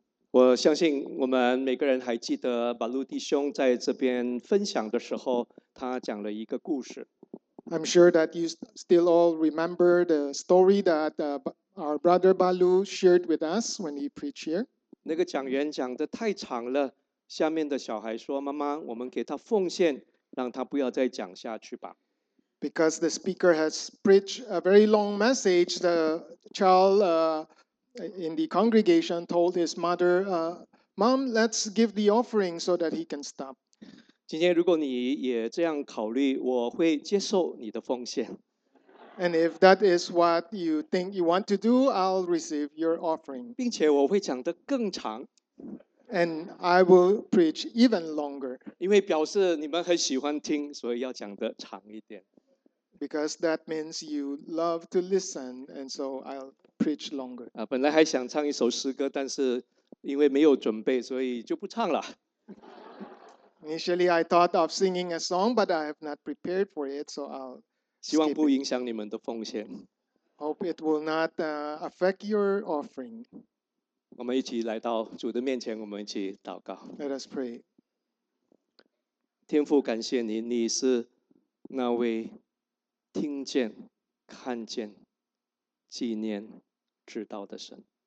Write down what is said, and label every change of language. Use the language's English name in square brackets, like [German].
[Chinese] 我相信我们每个人还记得巴路弟兄在这边分享的时候，他讲了一个故事。 [English] I'm sure that you still all remember the story that our brother Balu shared with us when he preached here. [Chinese] 那个讲员讲得太长了，下面的小孩说：“妈妈，我们给他奉献，让他不要再讲下去吧。” [English] Because the speaker has preached a very long message, the child in the congregation told his mother, Mom, let's give the offering so that he can stop. [Chinese] 今天如果你也这样考虑，我会接受你的奉献。 [English] And if that is what you think you want to do, I'll receive your offering. [Chinese] 并且我会讲得更长。 [English] And I will preach even longer. [Chinese] 因为表示你们很喜欢听，所以要讲得长一点。 [English] Because that means you love to listen, and so I'll preach longer. [Chinese] 本来还想唱一首诗歌，但是因为没有准备，所以就不唱了。 [English] Initially, I thought of singing a song, but I have not prepared for it, so I'll. [Chinese] 希望不影响你们的奉献。 [English] Hope it will not affect your offering. [Chinese] 我们一起来到主的面前，我们一起祷告。 [English] Let us pray. [Chinese] 天父，感谢你，你是那位。听见、看见、纪念、知道的神。